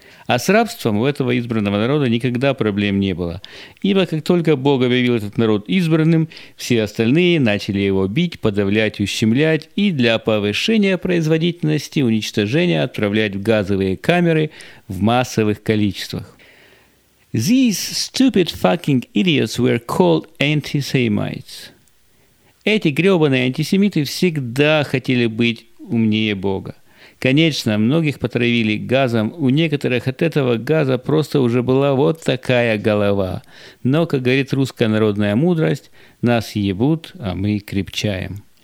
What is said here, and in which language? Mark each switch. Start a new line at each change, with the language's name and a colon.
Russian: А с рабством у этого избранного народа никогда проблем не было, ибо как только Бог объявил этот народ избранным, все остальные начали его бить, подавлять, ущемлять и для повышения производительности уничтожения отправлять в газовые камеры в массовых количествах.
English: These stupid fucking idiots were called anti-Semites.
Russian: Эти гребаные антисемиты всегда хотели быть умнее Бога. Конечно, многих потравили газом, у некоторых от этого газа просто уже была вот такая голова. Но, как говорит русская народная мудрость, нас ебут, а мы крепчаем.